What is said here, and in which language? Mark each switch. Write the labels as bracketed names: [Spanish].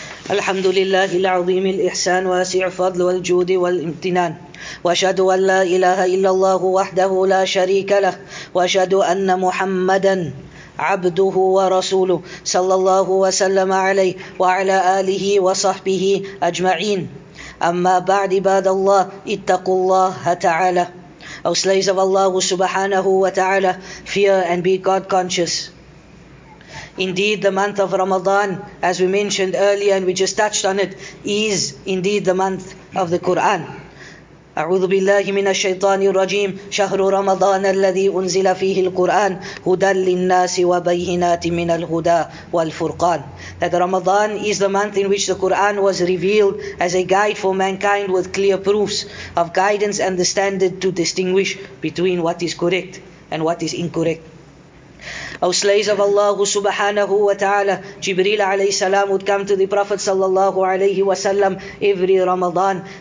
[Arabic] الحمد لله العظيم الإحسان واسع الفضل والجود والامتنان وأشهد أن لا إله إلا الله وحده لا شريك له وأشهد أن محمدا عبده ورسوله صلى الله وسلم عليه وعلى آله وصحبه أجمعين أما بعد عباد الله اتقوا الله تعالى أو [English] slaves of Allah [Arabic] سبحانه وتعالى [English] fear and be God conscious. Indeed, the month of Ramadan, as we mentioned earlier and we just touched on it, is indeed the month of the Quran. [Arabic] أعوذ بالله من الشيطان الرجيم شهر رمضان الذي أنزل فيه القرآن هدى للناس وبينات من الهدى والفرقان. [English] That Ramadan is the month in which the Quran was revealed as a guide for mankind with clear proofs of guidance and the standard to distinguish between what is correct and what is incorrect. O slaves of Allah subhanahu wa ta'ala, Jibreel alayhi salam would come to the Prophet sallallahu alayhi wa sallam every Ramadan.